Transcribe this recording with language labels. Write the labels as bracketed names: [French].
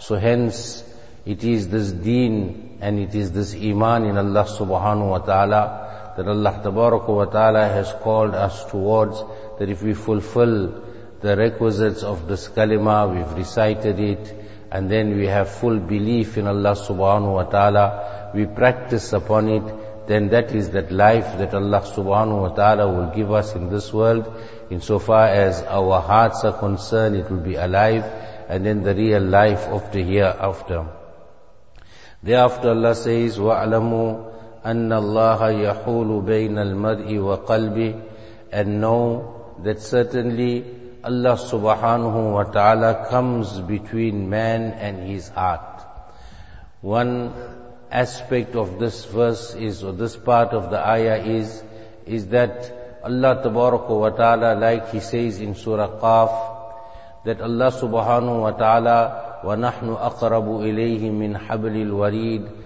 [English] So hence, it is this deen and it is this iman in Allah subhanahu wa ta'ala that Allah tabaraka wa ta'ala has called us towards, that if we fulfill the requisites of this kalima, we've recited it, and then we have full belief in Allah subhanahu wa ta'ala, we practice upon it, then that is that life that Allah subhanahu wa ta'ala will give us in this world. Insofar as our hearts are concerned, it will be alive, and then the real life of the hereafter. Thereafter Allah says, [Arabic] وَعْلَمُوا أَنَّ اللَّهَ يَحُولُ بَيْنَ الْمَرْءِ وَقَلْبِهِ. [English] And know that certainly Allah subhanahu wa ta'ala comes between man and his heart. One aspect of this verse is, or this part of the ayah is that Allah tabaraka wa ta'ala, like He says in Surah Qaf, that Allah subhanahu wa ta'ala, [Arabic] wa nahnu aqrabu ilayhi min hablil wareed.